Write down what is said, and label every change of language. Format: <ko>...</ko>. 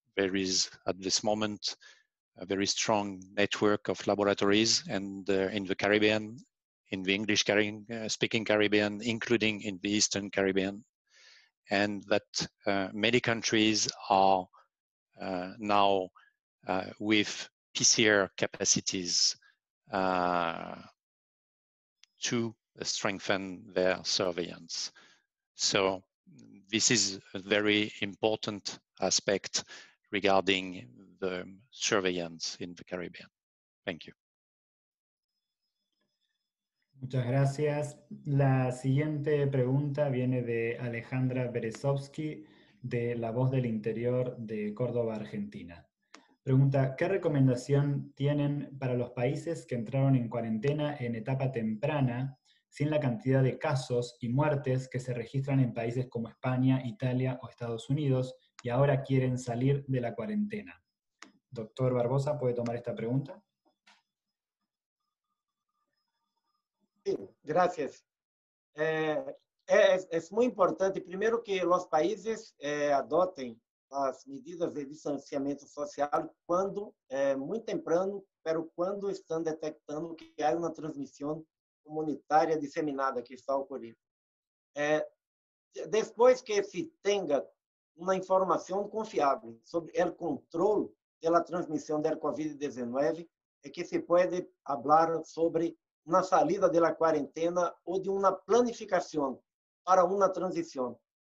<en>There is, at this moment, a very strong network of laboratories, and in the Caribbean, in the English-speaking Caribbean, including in the Eastern Caribbean, and that many countries are now with PCR capacities to strengthen their surveillance. So this is a very important aspect regarding the surveillance in the Caribbean. Thank you.</en> <es>Muchas gracias. La siguiente pregunta viene de Alejandra Berezovsky, de La Voz del Interior de Córdoba, Argentina. Pregunta, ¿qué recomendación tienen para los países que entraron en cuarentena en etapa temprana, sin la cantidad de casos y muertes que se registran en países como España, Italia o Estados Unidos, y ahora quieren salir de la cuarentena? Doctor Barbosa, ¿puede tomar esta pregunta? Sí, gracias. Es muy importante, primero, que los países adopten las medidas de distanciamiento social cuando, muy temprano, pero cuando están detectando que hay una transmisión comunitária disseminada que está ocorrendo.</es> <pt>Depois que se tenha uma informação confiável sobre o controle da transmissão da COVID-19, é que se pode falar sobre uma saída da quarentena ou de uma planificação para uma transição.</pt>